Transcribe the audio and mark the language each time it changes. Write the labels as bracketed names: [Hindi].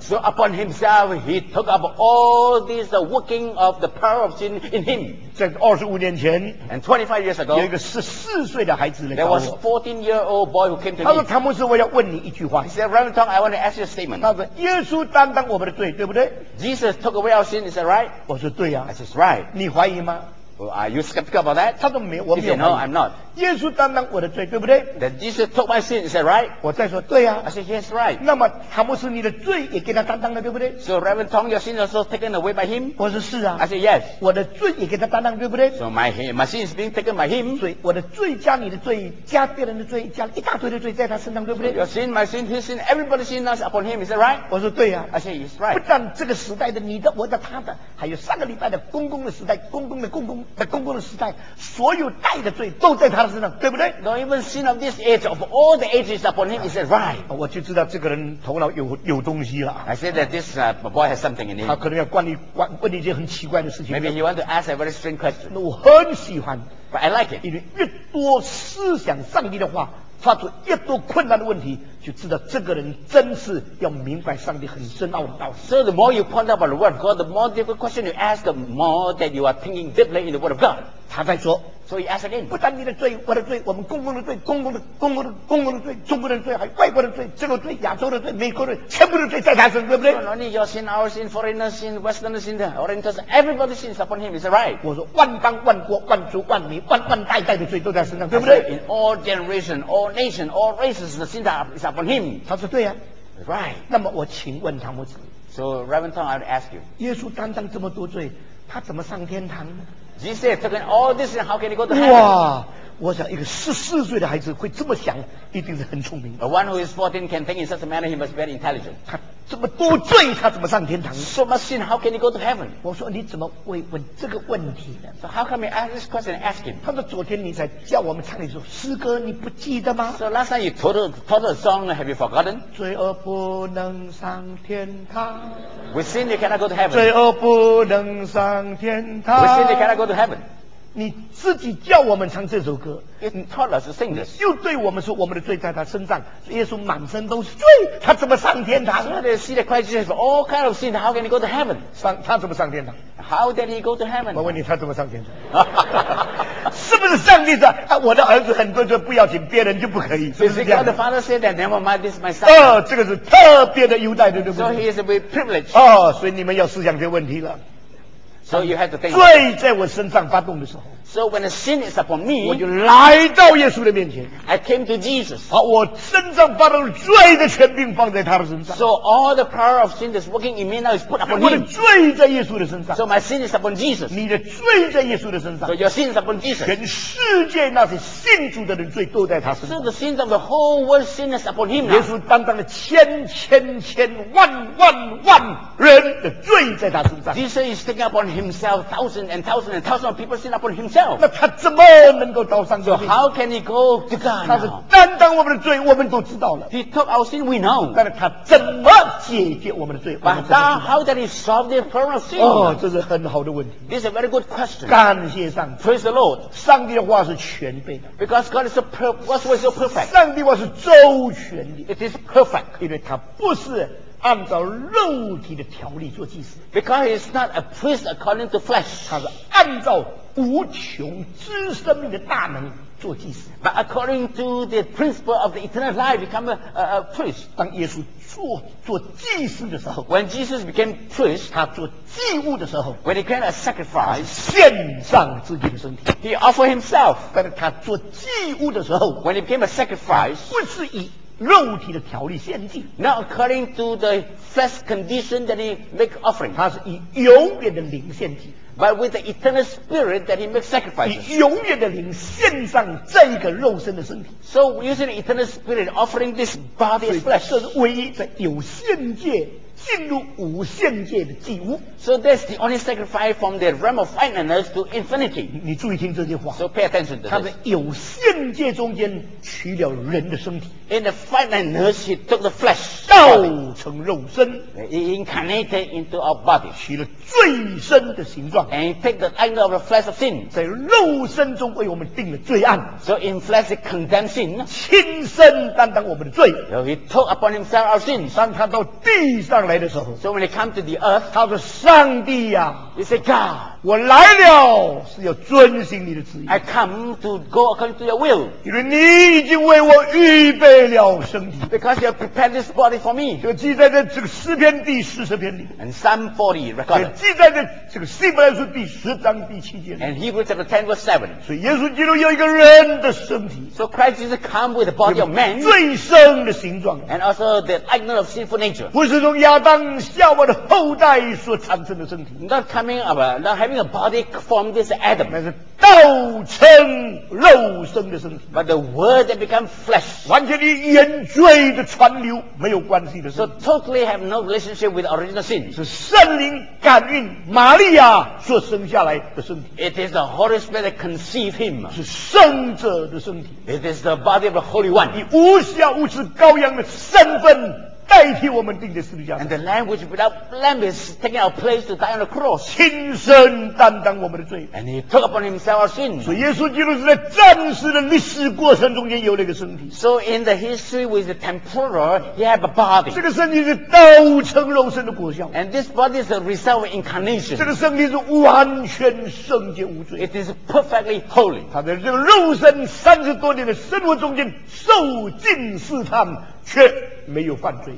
[English] So upon himself, he took up all this working of the power of sin in him. [Chinese] 在二十五年前 [English] ，and 25 years ago, [Chinese] 有一个十四岁的孩子来找我。 [English] There was a 14-year-old boy who came to me. [Chinese] 他说：“汤姆斯，我要问你一句话。” [English] He said, "Reverend Tong, I want to ask you a statement." [Chinese] 他说：“耶稣担当我们的罪，对不对 [English] ？”Jesus took away our sin. Is that right? [Chinese] 我说：“对呀。” [English] I said, "Right." [Chinese] 你怀疑吗？ [English] Well, are you skeptical about that? [Chinese] 他说没有，我没有。 [English] He said, "No, I'm not." [Chinese] 耶稣担当我的罪，对不对 [English] ？That Jesus took my sin. Is that right? [Chinese] 我再说对呀、啊。 [English] I said, "Yes, right." [Chinese] 那么汤姆斯，你的罪也给他担当了，对不对 [English] ？So Reverend Tong, your sins are also taken away by him. [Chinese] 我说是啊。 [English] I said, "Yes." [Chinese] 我的罪也给他担当，对不对 [English] ？So my sins being taken by him. [Chinese] 所以我的罪加你的罪加别人的罪加一大堆的罪在他身上，对不对、 [English] so、？Your sin, my sin, his sin, everybody's sin is upon him. Is that right? [Chinese] 我说对呀、啊。 [English] I said, "Yes, right." [Chinese] 不但这个时代的你的、我的、他的，还有上个礼拜的公公的时代，公公的公公。在公共的时代，所有带的罪都在他的身上，对不对 [English] ？No even sin of this age of all the ages upon him is right。 [Chinese] 我就知道这个人头脑有东西了。 [English] I said that this boy has something in him。 [Chinese] 他可能要问你一件很奇怪的事情。 [English] Maybe he want to ask a very strange question。 [Chinese] 那我很喜欢 [English] ，But I like it。 [Chinese] 因为越多思想上帝的话，发出越多困难的问题。就知道这个人真是要明白上帝很深奥的道理。 [English] So the more you ponder about the word of God, the more difficult question you ask, the more that you are thinking deeply in the word of God. [Chinese] 他在说 [English] ，So he asked again. [Chinese] 不但你的罪，我的罪，我们公共的罪，公共的罪，中国人罪，还有外国人罪，这个罪，亚洲的罪，美国人，全部的罪在他身上，对不对 [English] ？Not only your sin, our sin, foreigner's sin, westerner's sin, orientals, everybody's sins upon him. Is that right? [Chinese] 我说万邦万国万族万民万万代代的罪都在身上，对不对 [English] ？In all generation, all nation, all races, the sins are upon him. [Chinese] 他说对呀、啊、 [English] ，Right. [Chinese] 那么我请问汤姆斯 [English] ，So Reverend Tong, I would ask you. [Chinese] 耶稣担当这么多罪，他怎么上天堂 [English] ？Jesus took all this, and how can he go to heaven? [Chinese] 哇，我想一个十四岁的孩子会这么想，一定是很聪明的。 [English] A one who is 14 can think in such a manner, he must be very intelligent. [Chinese] 他这么多罪，他怎么上天堂 [English] ？So much sin, how can he go to heaven? [Chinese] 我说你怎么会问这个问题呢 [English] ？So how come you ask this question? Ask him. [Chinese] 他说昨天你才叫我们唱一首诗歌，你不记得吗 [English] ？So last time you told a song, have you forgotten? [Chinese] 罪恶不能上天堂。 [English] With sin, you cannot go to heaven. [Chinese] 罪恶不能上天堂。 [English] With sin, you cannot go to heaven. [Chinese] 你自己叫我们唱这首歌。 [English] It taught us to sing this. [Chinese] 又对我们说我们的罪在他身上，耶稣满身都是罪，他怎么上天堂 [English] ？So they see the Christ Jesus for all kind of sin. How can he go to heaven? [Chinese] 他怎么上天堂 [English] ？How did he go to heaven? [Chinese] 我问你，他怎么上天堂？是不是上帝说、啊、我的儿子很多罪不要紧，别人就不可以？是不是这样 [English] ？The father said that never mind, this is my son. [Chinese] 这个是特别的优待，对不对 [English] ？So he is a privilege. [Chinese] 所以你们要思想这个问题了。 [English] So you have to think. [Chinese] 罪在我身上发动的时候。 [English] So when a sin is upon me, [Chinese] 我就来到耶稣的面前。 [English] I came to Jesus. [Chinese] 把我身上发动罪的权柄放在他的身上。 [English] So all the power of sin that's working in me now is put upon him. [Chinese] 我的罪在耶稣的身上。 [English] So my sin is upon Jesus. [Chinese] 你的罪在耶稣的身上。 [English] So your sin is upon Jesus. [Chinese] 全世界那些信主的人罪都在他身上。 [English] So the sins of the whole world sin is upon him. [Chinese] 耶稣担当了千千千万万万人的罪在他身上。 [English] Jesus is taking upon himself thousands and thousands and thousands of people sin upon himself. [Chinese] 那他怎么能够到上帝？ [English] So how can he go to God? [Chinese] 他是担当我们的罪，我们都知道了。 [English] He took our sin, we know. [Chinese] 但是他怎么解决我们的罪？ [English] But how did he solve the problem of sin? [Chinese] 哦，这是很好的问题。 [English] This is a very good question. [Chinese] 感谢上帝。 [English] Praise the Lord. [Chinese] 上帝的话是全备的。 [English] Because God is so perfect. [Chinese] 上帝话是周全的。 [English] It is perfect. [Chinese] 因为他不是按照肉体的条例做祭司。 [English] Because he is not a priest according to flesh. [Chinese] 他是按照无穷之生命的大能做祭司。 [English] But according to the principle of the eternal life, become a priest. [Chinese] 当耶稣做祭司的时候， [English] when Jesus became priest, [Chinese] 他做祭物的时候， [English] when he came a sacrifice, [Chinese] 献上自己的身体， [English] he offered himself. [Chinese] 但他做祭物的时候， [English] when he became a sacrifice, [Chinese] 不是以肉体的条例献祭， [English] not according to the flesh condition that he make offering. [Chinese] 他是以永远的灵献祭。 [English] But with the eternal spirit that he makes sacrifices. [Chinese] 以永远的灵献上这一个肉身的身体。 [English] So using the eternal spirit offering this body as flesh. [Chinese] 这是唯一在有限界进入无限界的祭物。 [English] So that's the only sacrifice from the realm of finiteness to infinity. [Chinese] 你注意听这句话。 [English] So pay attention to this. [Chinese] 他在有限界中间取了人的身体。 [English] In the finiteness, he took the flesh. [Chinese] 道成肉身。 [English] He incarnated into our body. [Chinese] 取了罪身的形状。 [English] And he took the angle of the flesh of sin. [Chinese] 在肉身中为我们定了罪案。 [English] So in flesh, he condemned sin. [Chinese] 亲身担当我们的罪。 [English] So he took upon himself our sins. [Chinese] 当他到地上上来的时候， [English] so when he come to the earth, [Chinese] 他说：“上帝呀、啊、 [English] ，He said, God, [Chinese] 我来了是要遵行你的旨意。 [English] I come to go according to your will. [Chinese] 因为你已经为我预备了身体。 [English] Because you have prepared this body for me. [Chinese] 就记在这这个诗篇第四十篇里。 [English] And Psalm 40 recorded. [Chinese] 也记在这这个希伯来书第十章第七节。 [English] And Hebrews chapter 10 verse 7. [Chinese] 所以耶稣基督有一个人的身体。 [English] So Christ Jesus come with the body of man. [Chinese] 罪生的形状。 [English] And also the likeness of sinful nature. [Chinese] 不是从亚当夏娃的后代所产生的身体。 [English] Not coming of a, not having a body from this Adam. [Chinese] 那是道成肉身的身体。 [English] But the word that became flesh. [Chinese] 完全与原罪的传流没有关系的身体。 [English] So totally have no relationship with original sin. [Chinese] 是圣灵感孕玛利亚所生下来的身体。 [English] It is the Holy Spirit that conceived him. [Chinese] 是圣者的身体。 [English] It is the body of the Holy One. [Chinese] 以无瑕无疵羔羊的身份代替我们钉在十字架上。 [English] And the Lamb which without blemish is taking our place to die on the cross. [Chinese] 亲身担当我们的罪。 [English] And he took upon himself our sin. [Chinese] 所以耶稣基督是在暂时的历史过程中间有了一个身体。 [English] So in the history with the temporal, he have a body. [Chinese] 这个身体是道成肉身的果效。 [English] And this body is a result of incarnation. [Chinese] 这个身体是完全圣洁无罪。 [English] It is perfectly holy. [Chinese] 他在这个肉身三十多年的生活中间受尽试探，却没有犯罪。